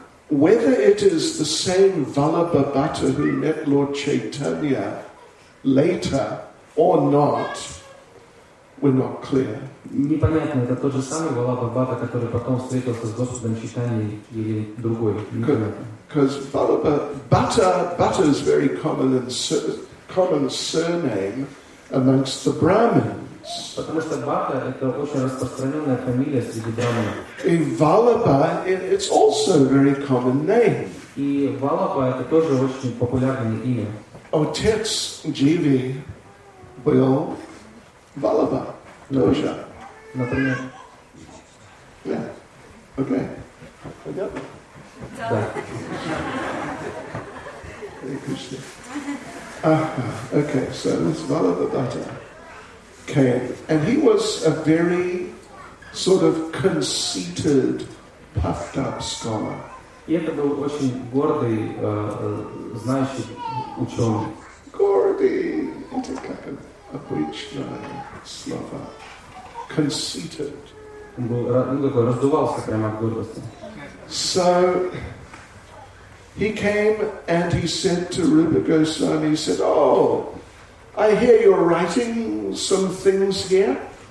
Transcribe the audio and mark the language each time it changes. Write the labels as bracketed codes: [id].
[en] Whether it is the same Vallabhabhata who met Lord Chaitanya later or not, we're not clear. [ru] Непонятно, это тот же самый Vallabhabhata, который потом встретился с Господом Чайтаньей или другой. [en] Because Vallabhabhata is very common surname amongst the Brahmins. [ru] Потому что Бхата это очень распространенная фамилия среди браманов. [en] И Валлабха it's also a very common name. [ru] И Валлабха это тоже очень популярное имя. Отец Дживи был Валлабха тоже. Например. [en] Yeah. Okay. [ru] Понятно. [en] Okay, so this Vallabhabhata came, and he was a very sort of conceited, puffed up scholar. [ru] И это был очень гордый, знающий ученый. Гордый, это как обычное слово. [en] Conceited. [ru] Он был, ну, такой, раздувался прямо от гордости. [en] So, he came and he said to Rupa Goswami, he said, oh, I hear you're writing some things here.